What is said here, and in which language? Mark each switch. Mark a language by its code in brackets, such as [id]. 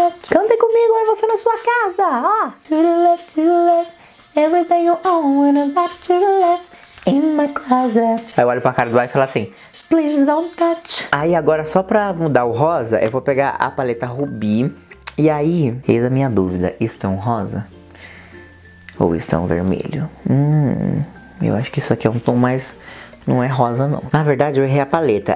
[pt] Cantem comigo, é você na sua casa, ó. [en] To the left, everything you own, and back to the left, in my closet. [pt] Aí eu olho pra cara do Ai e falo assim, [en] please don't touch. [pt] Aí agora, só pra mudar o rosa, eu vou pegar a paleta Ruby. E aí, eis a minha dúvida, isto é um rosa? Ou isto é um vermelho? Eu acho que isso aqui é um tom mais... Não é rosa, não. Na verdade, eu errei a paleta.